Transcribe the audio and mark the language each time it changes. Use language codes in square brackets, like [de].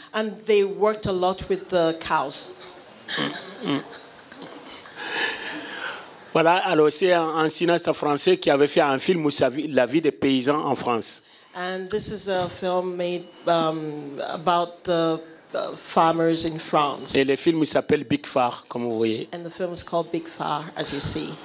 [en] And they worked a lot with the cows. [fr] Voilà, alors c'est un cinéaste français qui avait fait un film sur la vie des paysans en France. [en] And this is a film made about the farmers in France. [fr] Et le film s'appelle Big Far, comme vous voyez. [en] And the film is called Big Far, as you see.